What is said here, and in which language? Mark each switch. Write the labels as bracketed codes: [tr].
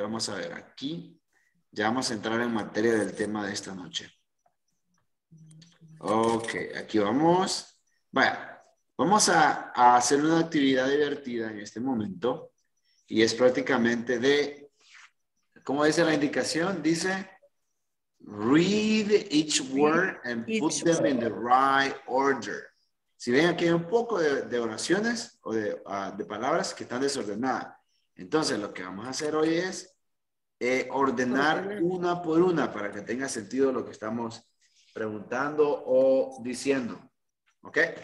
[es] Vamos a ver aquí. Ya vamos a entrar en materia del tema de esta noche. Ok, aquí vamos. Vaya, vamos a hacer una actividad divertida en este momento. Y es prácticamente de, ¿cómo dice la indicación? Dice, [en] read each word and put them in the right order. [es] Si ven, aquí hay un poco de oraciones o de palabras que están desordenadas. Entonces, lo que vamos a hacer hoy es ordenar una por una para que tenga sentido lo que estamos preguntando o diciendo. ¿Ok?